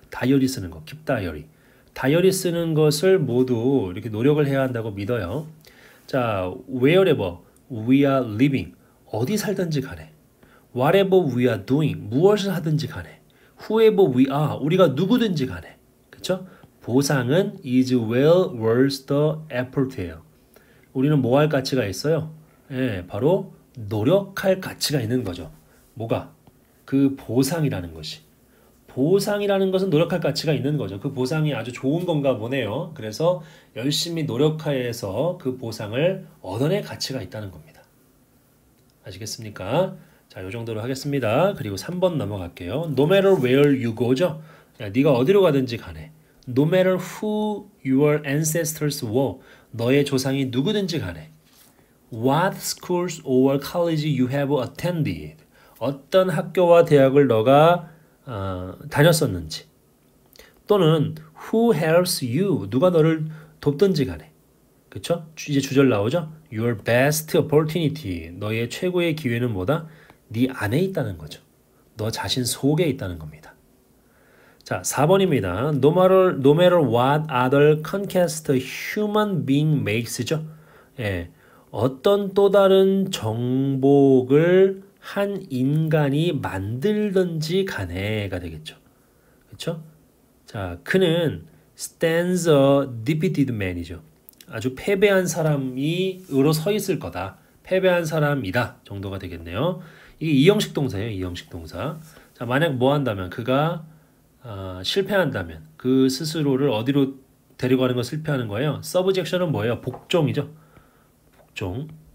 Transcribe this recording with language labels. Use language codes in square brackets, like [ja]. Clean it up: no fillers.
[ko] 다이어리 쓰는 거, 킵 다이어리. 다이어리 쓰는 것을 모두 이렇게 노력을 해야 한다고 믿어요. [en] 자, wherever we are living, [ko] 어디 살든지 간에, [en] whatever we are doing, [ko] 무엇을 하든지 간에, [en] whoever we are, [ko] 우리가 누구든지 간에, 그쵸? 보상은 [en] is well worth the effort예요. [ko] 우리는 뭐할 가치가 있어요? 예, 바로 노력할 가치가 있는 거죠. 뭐가? 그 보상이라는 것이. 보상이라는 것은 노력할 가치가 있는 거죠. 그 보상이 아주 좋은 건가 보네요. 그래서 열심히 노력하여서 그 보상을 얻어낼 가치가 있다는 겁니다. 아시겠습니까? 자, 요 정도로 하겠습니다. 그리고 3번 넘어갈게요. [en] No matter where you go죠. [ko] 야, 네가 어디로 가든지 간에. [en] No matter who your ancestors were, [ko] 너의 조상이 누구든지 간에. [en] What schools or college you have attended? [ko] 어떤 학교와 대학을 너가 다녔었는지 또는 [en] who helps you? [ko] 누가 너를 돕든지 간에 그쵸? 이제 주절 나오죠? [en] Your best opportunity [ko] 너의 최고의 기회는 뭐다? 네 안에 있다는 거죠. 너 자신 속에 있다는 겁니다. 자, 4번입니다. [en] No matter what other conquest a human being makes죠? [ko] 예. 어떤 또 다른 정복을 한 인간이 만들든지 간에가 되겠죠. 그쵸? 자, 그는 [en] stands a defeated man이죠. [ko] 아주 패배한 사람이으로 서 있을 거다. 패배한 사람이다 정도가 되겠네요. 이게 이형식 동사예요. 이형식 동사. 자, 만약 뭐 한다면 그가 실패한다면 그 스스로를 어디로 데리고 가는 거 실패하는 거예요. Subjection은 뭐예요? 복종이죠. 종.